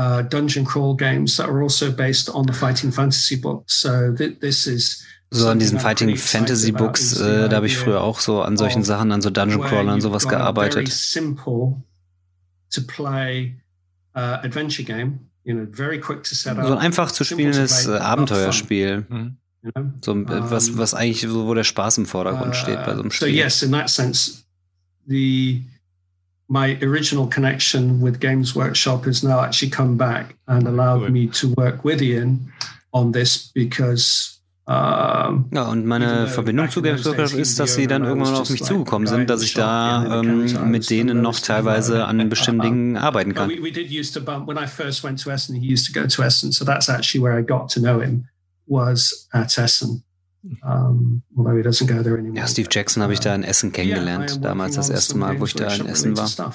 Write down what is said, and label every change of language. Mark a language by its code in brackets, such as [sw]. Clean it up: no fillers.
[en] Dungeon Crawl Games that are also based on the Fighting Fantasy Books. So this is. [de] So an diesen Fighting Fantasy Books, da habe ich früher auch so an solchen Sachen, an so Dungeon Crawler und sowas gearbeitet. [en] Very simple to play adventure game. Very quick to set up. [de] So ein einfach zu spielendes Abenteuerspiel. So was eigentlich so, wo der Spaß im Vordergrund steht bei so einem Spiel. [en] So yes, in that sense, my original connection with Games Workshop has now actually come back and allowed me to work with Ian on this because. [de] Ja, und meine Verbindung zu Games Workshop ist, dass sie dann irgendwann auf mich zugekommen sind, dass ich da mit denen noch teilweise an bestimmten Dingen arbeiten kann. [en] We did used to bump when I first went to Essen, he used to go to Essen, so that's actually where I got to know him, was at Essen. Although he doesn't go there anymore. [de] Ja, Steve Jackson habe ich da in Essen kennengelernt, yeah, damals das erste Mal, wo ich da in Essen war.